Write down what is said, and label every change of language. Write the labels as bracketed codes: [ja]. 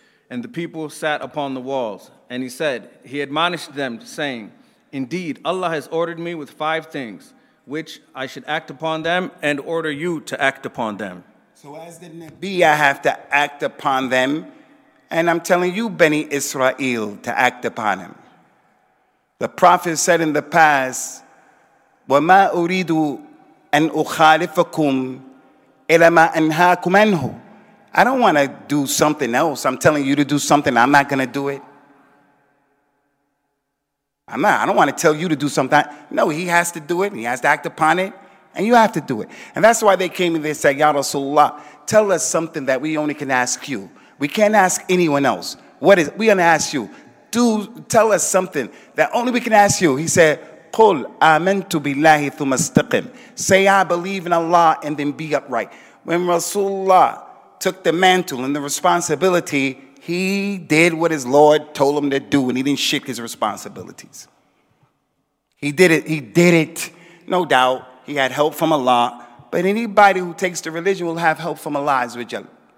[en] And the people sat upon the walls. And he said, he admonished them, saying, indeed, Allah has ordered me with five things, which I should act upon them and order you to act upon them. So as the Nabi, I have to act upon them. And I'm telling you, Bani Israel, to act upon him. The Prophet said in the past, [ar] وَمَا أُرِيدُ أَنْ أُخَالِفَكُمْ إِلَى مَا أَنْهَاكُمْ أَنْهُ. [en] I don't want to do something else. I'm telling you to do something. I'm not going to do it. I don't want to tell you to do something. No, he has to do it. And he has to act upon it. And you have to do it. And that's why they came and they said, Ya Rasulullah, tell us something that we only can ask you. We can't ask anyone else. What is it? We're going to ask you. Tell us something that only we can ask you. He said, [ar] قُلْ آمَنْتُ بِاللَّهِ ثُمَّ اسْتَقِمْ. [en] Say, I believe in Allah and then be upright. When Rasulullah took the mantle and the responsibility, he did what his Lord told him to do, and he didn't shirk his responsibilities. He did it. He did it. No doubt, he had help from Allah, but anybody who takes the religion will have help from Allah Azza wa Jalla.